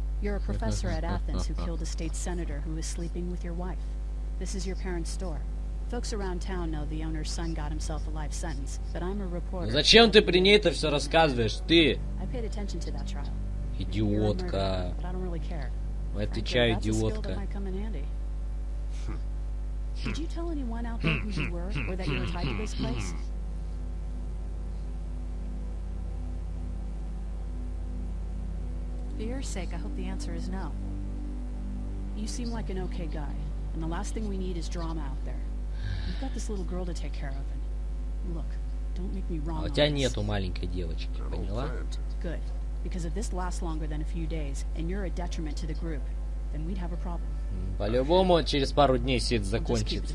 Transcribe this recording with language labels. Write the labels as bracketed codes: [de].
[en] You're a professor at Athens who killed a state senator who was sleeping with your wife. This is your parents' store. Folks around town know the owner's son got himself a life sentence, but I'm a reporter. [ru] Зачем ты при ней это все рассказываешь, ты? [en] I paid attention to that trial. [ru] Идиотка. [en] But I don't really care. [ru] Это чай, идиотка. [en] Did you tell anyone out there who you were or that you were tied to this place? For your sake, I hope the answer is no. You seem like an okay guy, and the last thing we need is drama out there. You've got this little girl to take care of, and look, don't make me wrong. [ru] А у тебя нету маленькой девочки, поняла? [en] Good, because if this lasts longer than a few days, and you're a detriment to the group, then we'd have a problem. [ru] По-любому через пару дней все это закончится.